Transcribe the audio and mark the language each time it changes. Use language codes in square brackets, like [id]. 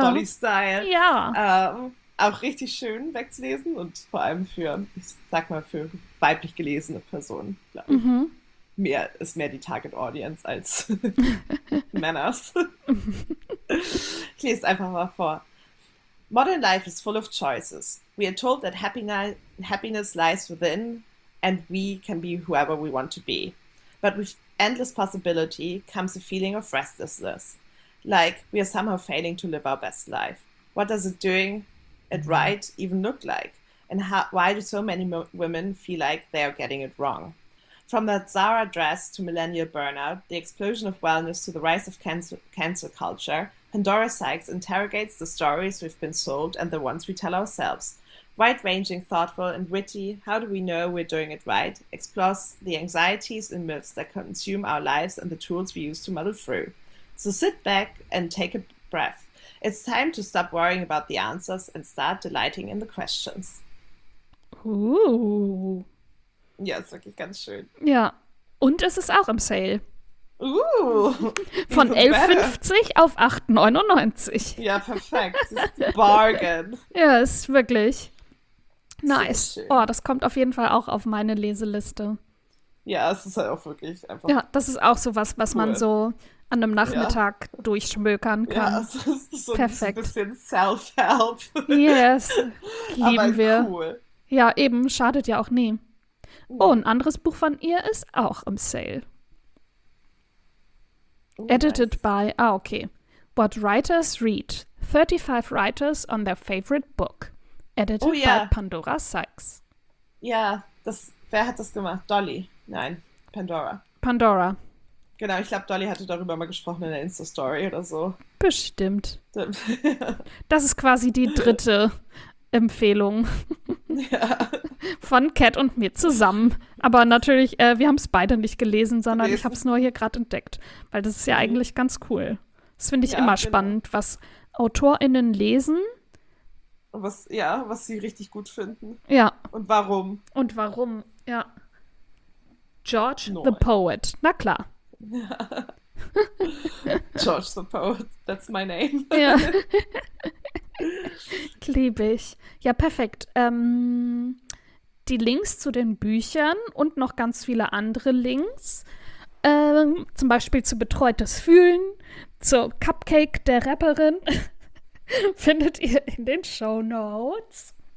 [de] Dolly-Style. Ja. Auch richtig schön wegzulesen und vor allem für, ich sag mal, für weiblich gelesene Personen, glaube ich. Mhm. Mehr ist mehr die Target Audience als Männers. Ich lese einfach mal vor. [en] Modern life is full of choices. We are told that happiness lies within and we can be whoever we want to be. But with endless possibility comes a feeling of restlessness. Like we are somehow failing to live our best life. What does it doing? It right even look like? And why do so many women feel like they are getting it wrong? From that Zara dress to millennial burnout, the explosion of wellness to the rise of cancel culture, Pandora Sykes interrogates the stories we've been sold and the ones we tell ourselves. Wide-ranging, thoughtful and witty, How Do We Know We're Doing It Right? Explores the anxieties and myths that consume our lives and the tools we use to muddle through. So sit back and take a breath. It's time to stop worrying about the answers and start delighting in the questions. Ooh. [de] Ja, ist wirklich ganz schön. Ja. Und es ist auch im Sale. Ooh. Von 11,50 auf 8,99. Ja, perfekt. Das ist ein Bargain. Ja, ist wirklich nice. So schön. Oh, das kommt auf jeden Fall auch auf meine Leseliste. Ja, es ist halt auch wirklich einfach. Ja, das ist auch sowas, was cool. Man so an einem Nachmittag durchschmökern kann. Ja, so perfekt. Ein bisschen Self-Help. Yes, lieben aber wir. Cool. Ja, eben, schadet ja auch nie. Oh, ein anderes Buch von ihr ist auch im Sale. [en] Oh, edited nice. By, okay. What Writers Read. 35 Writers on Their Favorite Book. Edited by Pandora Sykes. [de] Ja, wer hat das gemacht? Dolly? Nein, Pandora. Pandora. Genau, ich glaube, Dolly hatte darüber mal gesprochen in der Insta-Story oder so. Bestimmt. Das ist quasi die dritte Empfehlung von Kat und mir zusammen. Aber natürlich, wir haben es beide nicht gelesen, sondern ich habe es nur hier gerade entdeckt. Weil das ist ja eigentlich ganz cool. Das finde ich immer spannend, was AutorInnen lesen. Was sie richtig gut finden. Ja. Und warum. Ja. George the Poet. Na klar. [en] George the Poet, that's my name. [de] Ja. Liebe ich. Ja, perfekt. Die Links zu den Büchern und noch ganz viele andere Links, zum Beispiel zu Betreutes Fühlen, zu Cupcake der Rapperin, findet ihr in den Shownotes.